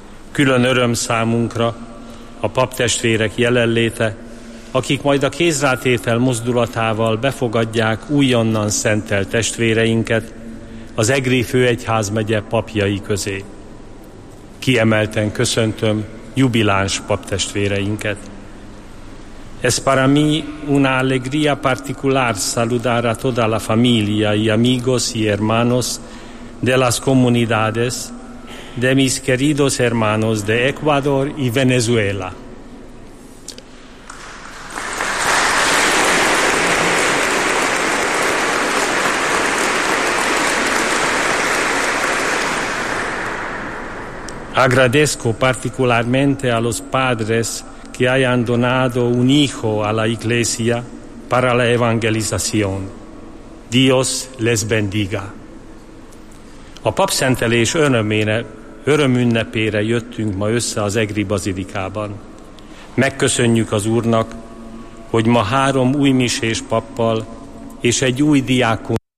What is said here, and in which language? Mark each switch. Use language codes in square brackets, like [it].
[hu] Külön öröm számunkra a paptestvérek jelenléte, akik majd a kézrátétel mozdulatával befogadják újonnan szentelt testvéreinket az Egri Főegyházmegye papjai közé. Kiemelten köszöntöm jubiláns paptestvéreinket. [es] Es para mí una alegría particular saludar a toda la familia y amigos y hermanos de las comunidades de mis queridos hermanos de Ecuador y Venezuela. Agradezco particularmente a los padres que hayan donado un hijo a la Iglesia para la evangelización. Dios les bendiga. [hu] A papszentelés örömünnepére jöttünk ma össze az Egri Bazilikában. Megköszönjük az Úrnak, hogy ma három új misés pappal és egy új diákon